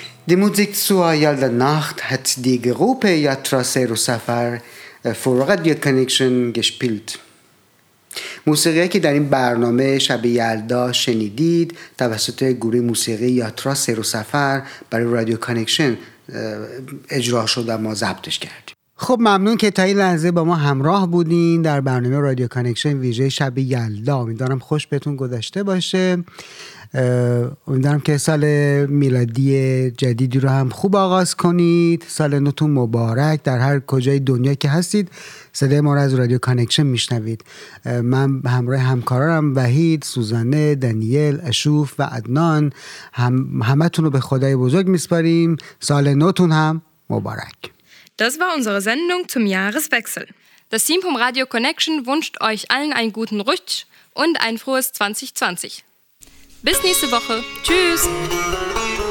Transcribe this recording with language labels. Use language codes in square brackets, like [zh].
[de] Die Musik zur Yalda Nacht hat die Gruppe Yatra Seru Safar für Radio Connection gespielt. [fa] موسیقی که در این برنامه شب یلدا شنیدید توسط گروه موسیقی یاترا سیرو سفر برای رادیو کانکشن اجرا شد و ما ضبطش کردیم. خب ممنون که تا این لحظه با ما همراه بودین در برنامه رادیو کانکشن ویژه شب یلدا. امیدوارم خوش بهتون گذشته باشه، امیدوارم که سال میلادی جدیدی رو هم خوب آغاز کنید، سال نوتون مبارک. در هر کجای دنیا که هستید صدای ما رو از رادیو کانکشن میشنوید. من همراه همکارانم وحید، سوزانه، دانیل، اشوف و عدنان همتون رو به خدای بزرگ میسپاریم. سال نوتون هم مبارک. [de] Das war unsere Sendung zum Jahreswechsel. Das Team vom Radio Connection wünscht euch allen einen guten Rutsch und ein frohes 2020. Bis nächste Woche. Tschüss.